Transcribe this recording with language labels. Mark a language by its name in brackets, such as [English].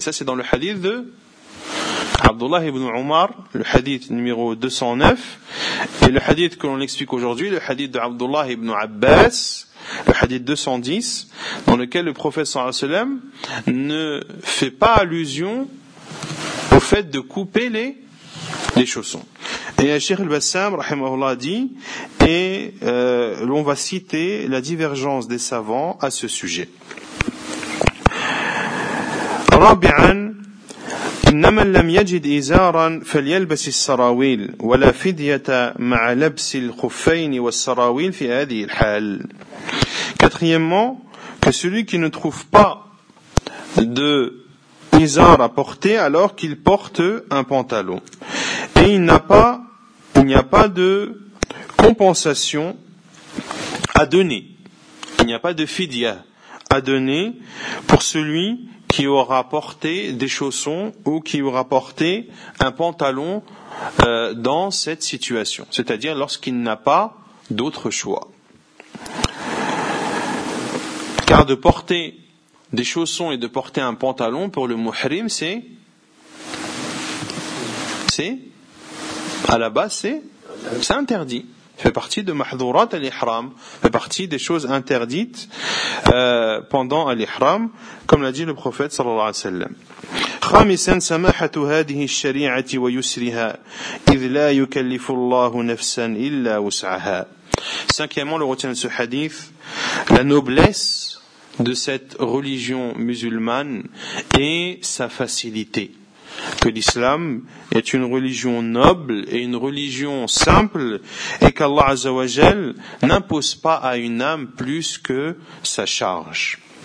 [French] Ça c'est dans le hadith de Abdullah ibn Omar, le hadith numéro 209, et le hadith que l'on explique aujourd'hui, le hadith de Abdullah ibn Abbas, le hadith 210, dans lequel le prophète sallallahu alayhi wa sallam ne fait pas allusion au fait de couper les chaussons. Et Cheikh al-Bassam, rahimahullah, dit, et l'on va citer la divergence des savants à ce sujet. [Arabic] Rabi'an, إنما لم يجد إزارا فليلبس السراويل ولا فدية مع لبس الخفين والسراويل في هذه الحال. [French] Quatrièmement, que celui qui ne trouve pas de izar à porter alors qu'il porte un pantalon. Et il n'y a pas de compensation à donner. Il n'y a pas de fidya à donner pour celui qui aura porté des chaussons ou qui aura porté un pantalon dans cette situation. C'est-à-dire lorsqu'il n'a pas d'autre choix. Car de porter des chaussons et de porter un pantalon pour le muhrim, c'est à la base, c'est C'est interdit. Fait partie de mahdourat al-ihram, fait partie des choses interdites pendant al-ihram, comme l'a dit le prophète sallallahu alayhi wa sallam. [Arabic] خامساً سماحة هذه الشريعة ويسرها إذ لا يكلف الله نفساً إلا وسعها. [French] Cinquièmement, le retient de ce hadith, la noblesse de cette religion musulmane et sa facilité. Que l'islam est une religion noble et une religion simple et qu'Allah Azza wa Jal n'impose pas à une âme plus que sa charge.